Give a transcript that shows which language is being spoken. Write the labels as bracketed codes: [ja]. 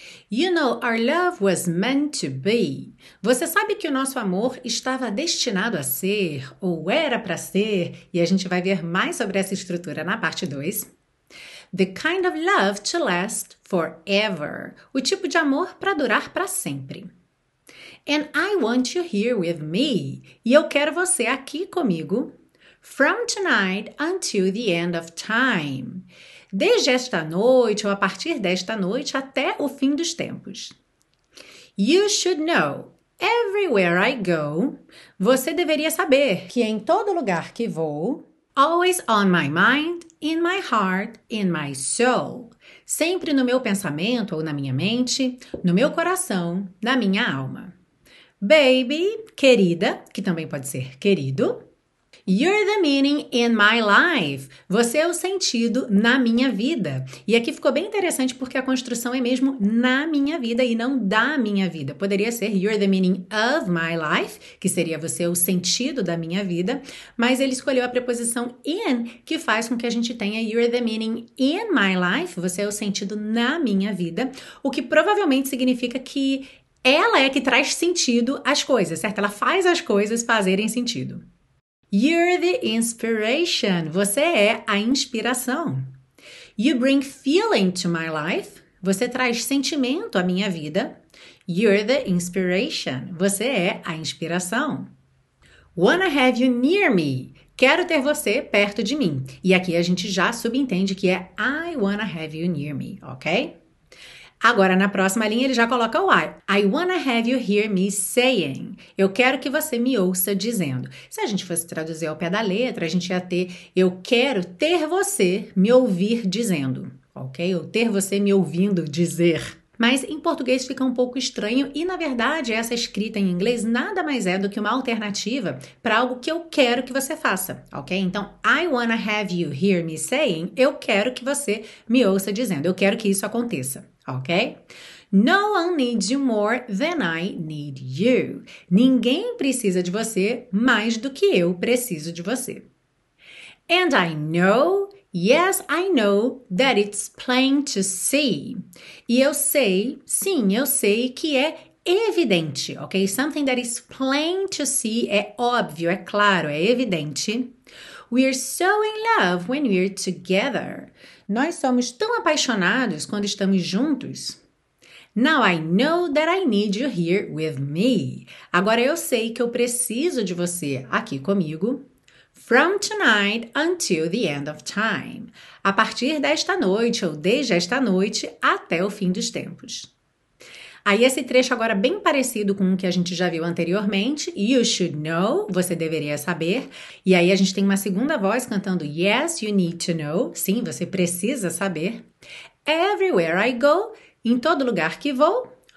[en] You know our love was meant to be. [pt] Você sabe que o nosso amor estava destinado a ser, ou era para ser, e a gente vai ver mais sobre essa estrutura na parte 2. [en] The kind of love to last forever. [pt] O tipo de amor para durar para sempre. [en] And I want you here with me. [pt] E eu quero você aqui comigo. [en] From tonight until the end of time. [pt] Desde esta noite, ou a partir desta noite, até o fim dos tempos. [en] You should know, everywhere I go. [pt] Você deveria saber que em todo lugar que vou. [en] Always on my mind, in my heart, in my soul. [pt] Sempre no meu pensamento ou na minha mente, no meu coração, na minha alma. Baby, querida, que também pode ser querido. [en] You're the meaning in my life. [pt] Você é o sentido na minha vida. E aqui ficou bem interessante porque a construção é mesmo na minha vida e não da minha vida. Poderia ser [en] You're the meaning of my life, [pt] que seria você é o sentido da minha vida, mas ele escolheu a preposição in, que faz com que a gente tenha [en] You're the meaning in my life. [pt] Você é o sentido na minha vida, o que provavelmente significa que ela é que traz sentido às coisas, certo? Ela faz as coisas fazerem sentido. [en] You're the inspiration. [pt] Você é a inspiração. [en] You bring feeling to my life. [pt] Você traz sentimento à minha vida. [en] You're the inspiration. [pt] Você é a inspiração. [en] Wanna have you near me. [pt] Quero ter você perto de mim. E aqui a gente já subentende que é [en] I wanna have you near me, [pt] ok? Agora, na próxima linha, ele já coloca o [en] I wanna have you hear me saying. [pt] Eu quero que você me ouça dizendo. Se a gente fosse traduzir ao pé da letra, a gente ia ter eu quero ter você me ouvir dizendo, ok? Ou ter você me ouvindo dizer. Mas em português fica um pouco estranho e, na verdade, essa escrita em inglês nada mais é do que uma alternativa para algo que eu quero que você faça, ok? [en] Então, I wanna have you hear me saying. [pt] Eu quero que você me ouça dizendo. Eu quero que isso aconteça. Ok? [en] No one needs you more than I need you. [pt] Ninguém precisa de você mais do que eu preciso de você. [en] And I know, yes, I know that it's plain to see. [pt] E eu sei, sim, eu sei que é evidente, ok? [en] Something that is plain to see [pt] é óbvio, é claro, é evidente. [en] We are so in love when we are together. [pt] Nós somos tão apaixonados quando estamos juntos. [en] Now I know that I need you here with me. [pt] Agora eu sei que eu preciso de você aqui comigo. [en] From tonight until the end of time. [pt] A partir desta noite ou desde esta noite até o fim dos tempos. Aí esse trecho agora bem parecido com o que a gente já viu anteriormente. [en] You should know, [pt] você deveria saber. E aí a gente tem uma segunda voz cantando [en] Yes, you need to know. [pt] Sim, você precisa saber. [en] Everywhere I go, [pt] em todo lugar que vou.